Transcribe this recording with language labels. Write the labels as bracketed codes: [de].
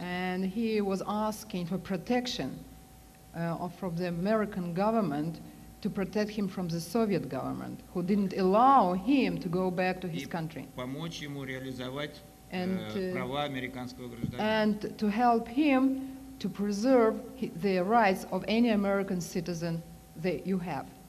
[en] And he was asking for protection from the American government, to protect him from the Soviet government, who didn't allow him to go back to his country. [ru] И помочь ему реализовать права американского гражданина. [en] And to help him to preserve the rights of any American citizen that you have.